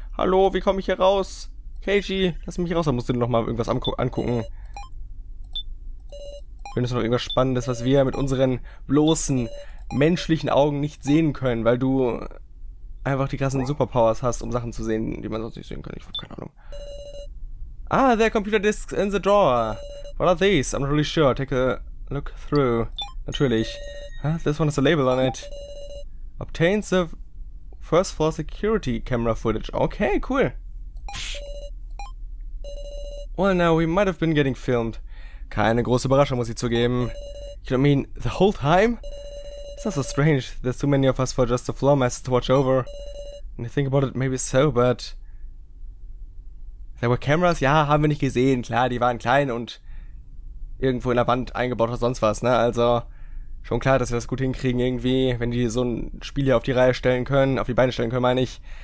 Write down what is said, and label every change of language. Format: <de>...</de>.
<de>Hallo, wie komme ich hier raus? Keiji, lass mich raus. Da musst du dir nochmal irgendwas angucken. Findest du noch irgendwas Spannendes, was wir mit unseren bloßen menschlichen Augen nicht sehen können, weil du einfach die krassen Superpowers hast, um Sachen zu sehen, die man sonst nicht sehen kann? Ich hab keine Ahnung.</de> <en>Ah, there are computer disks in the drawer. What are these? I'm not really sure. Take a look through.</en> <de>Natürlich.</de> <en>Huh? This one has a label on it. Obtains the first floor security camera footage. Okay, cool. Well, now we might have been getting filmed.</en> <de>Keine große Überraschung, muss ich zugeben.</de> <en>You don't mean the whole time? It's not so strange. There's too many of us for just the floor mess to watch over. And you think about it, maybe so, but there were cameras?</en> <de>Ja, haben wir nicht gesehen. Klar, die waren klein und irgendwo in der Wand eingebaut oder sonst was, ne? Also, schon klar, dass wir das gut hinkriegen irgendwie, wenn die so ein Spiel hier auf die Reihe stellen können, auf die Beine stellen können, meine ich.</de>